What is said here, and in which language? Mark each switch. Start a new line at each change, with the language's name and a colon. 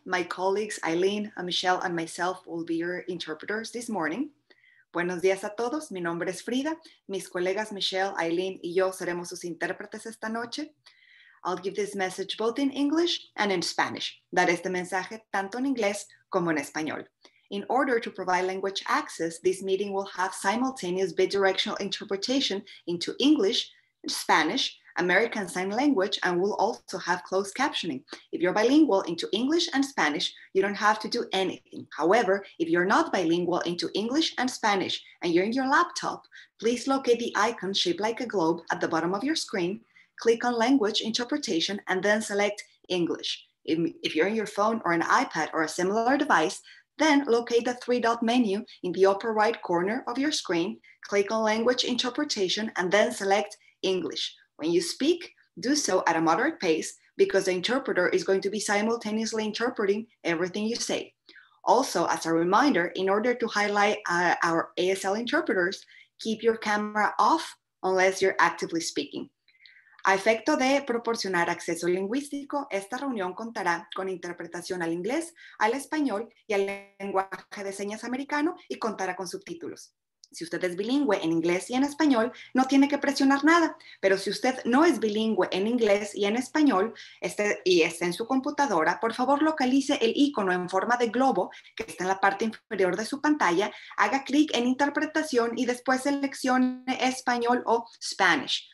English: My colleagues, Eileen, Michelle, and myself will be your interpreters this morning.
Spanish: Buenos días a todos. Mi nombre es Frida. Mis colegas, Michelle, Eileen, y yo seremos sus intérpretes esta noche.
English: I'll give this message both in English and in Spanish.
Spanish: Daré este mensaje tanto en inglés como en español.
English: In order to provide language access, this meeting will have simultaneous bidirectional interpretation into English, Spanish, American Sign Language, and will also have closed captioning. If you're bilingual into English and Spanish, you don't have to do anything. However, if you're not bilingual into English and Spanish and you're in your laptop, please locate the icon shaped like a globe at the bottom of your screen, click on Language Interpretation, and then select English. If you're in your phone or an iPad or a similar device, then locate the three-dot menu in the upper right corner of your screen, click on Language Interpretation, and then select English. When you speak, do so at a moderate pace because the interpreter is going to be simultaneously interpreting everything you say. Also, as a reminder, in order to highlight our ASL interpreters, keep your camera off unless you're actively speaking.
Spanish: A efecto de proporcionar acceso lingüístico, esta reunión contará con interpretación al inglés, al español y al lenguaje de señas americano y contará con subtítulos. Si usted es bilingüe en inglés y en español, no tiene que presionar nada. Pero si usted no es bilingüe en inglés y en español y está en su computadora, por favor localice el icono en forma de globo que está en la parte inferior de su pantalla, haga clic en interpretación y después seleccione español o Spanish.